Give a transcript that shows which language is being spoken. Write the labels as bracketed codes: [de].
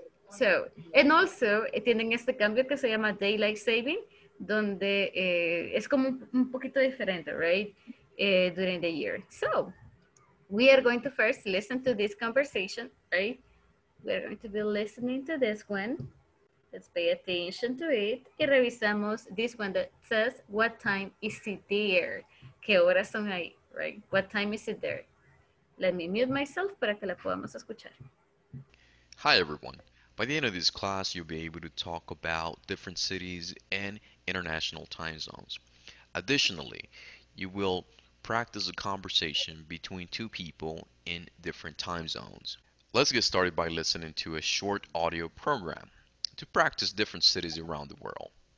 [en] So, and also, [es] tienen este cambio que se llama daylight saving, donde es como un poquito diferente, [en] right, during the year. So, we are going to first listen to this conversation, right? We're going to be listening to this one. Let's pay attention to it. [es] Y revisamos [en] this one that says, what time is it there? [es] ¿Qué horas son ahí? [en] Right? What time is it there? Let me mute myself [es] para que la podamos escuchar. [en] Hi, everyone. By the end of this class, you'll be able to talk about different cities and international time zones. Additionally, you will practice a conversation between two people in different time zones. Let's get started by listening to a short audio program to practice different cities around the world.